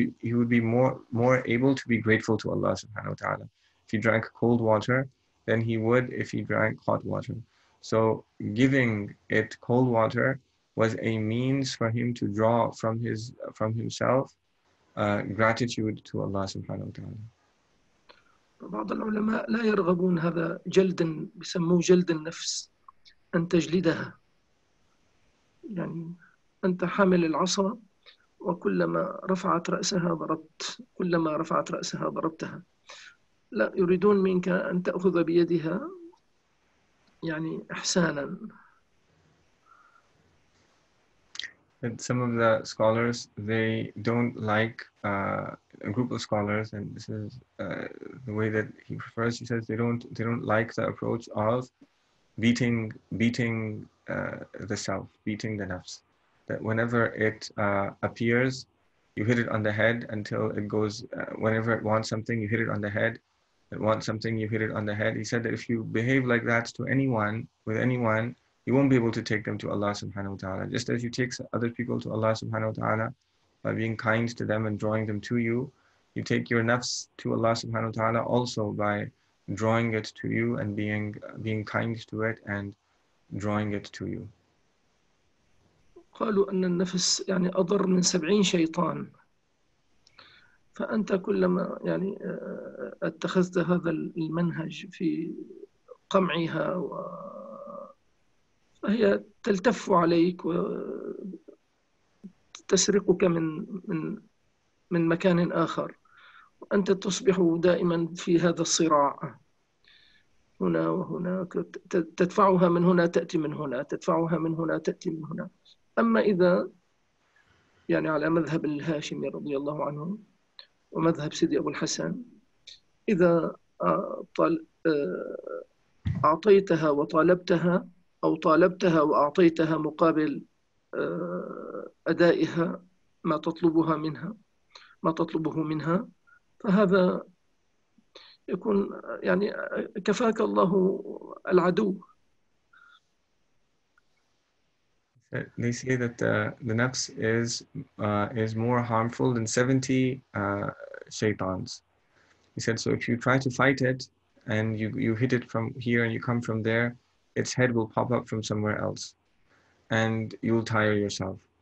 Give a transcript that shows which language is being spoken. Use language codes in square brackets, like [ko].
[en] He would be more able to be grateful to Allah Subhanahu wa Taala. If he drank cold water, then he would. If he drank hot water, so giving it cold water was a means for him to draw from himself gratitude to Allah subhanahu wa ta'ala. [ar] بعض العلماء لا يرغبون هذا جلدا بسموه جلد النفس أن تجلدها يعني أنت حامل العصا وكلما رفعت رأسها ضربت كلما رفعت رأسها ضربتها لا يريدون منك أن تأخذ بيدها يعني إحسانا. [en] And some of the scholars, they don't like a group of scholars, and this is the way that he prefers. He says they don't like the approach of beating the self, beating the nafs. That whenever it appears, you hit it on the head until it goes. Whenever it wants something, you hit it on the head. It wants something, you hit it on the head. He said that if you behave like that to anyone, with anyone, you won't be able to take them to Allah subhanahu wa ta'ala. Just as you take other people to Allah subhanahu wa ta'ala by being kind to them and drawing them to you, you take your nafs to Allah subhanahu wa ta'ala also by drawing it to you and being kind to it and drawing it to you. [ar] قالوا أن النفس يعني أضر من 70 شيطان فأنت كلما يعني اتخذت هذا المنهج في قمعها و هي تلتف عليك وتسرقك من مكان آخر وأنت تصبح دائما في هذا الصراع هنا وهناك، تدفعها من هنا تأتي من هنا، تدفعها من هنا تأتي من هنا. أما إذا يعني على مذهب الهاشمي رضي الله عنه ومذهب سيدي أبو الحسن، إذا أعطيتها وطالبتها أو طالبتها وأعطيتها مقابل أدائها ما تطلبها منها، ما تطلبه منها، فهذا يكون يعني كفاك الله العدو. [en] They say that the nafs is more harmful than 70 shaitans. He said, so if you try to fight it and you hit it from here and you come from there, its head will pop up from somewhere else and you'll tire yourself.